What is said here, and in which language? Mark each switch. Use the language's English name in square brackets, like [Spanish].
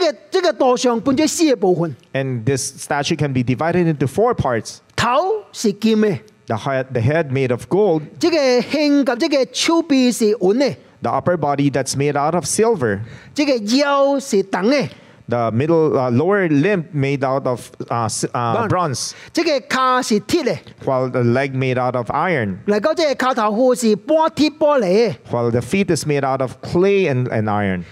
[Chinese] 这个图像分成四个部分. [English] And this statue can be divided into four parts. [Chinese] 头是金的. [English] The head made of gold. [Chinese] 这个胸和这个手臂是银的. [English] The upper body that's made out of silver. [Chinese] 这个腰是铜的. [English] The middle lower limb made out of bronze. [Chinese] 这个脚是铁的, [English] while the leg made out of iron. [Chinese] 来到这个脚头是半铁半铝, [English] while the feet is made out of clay and iron.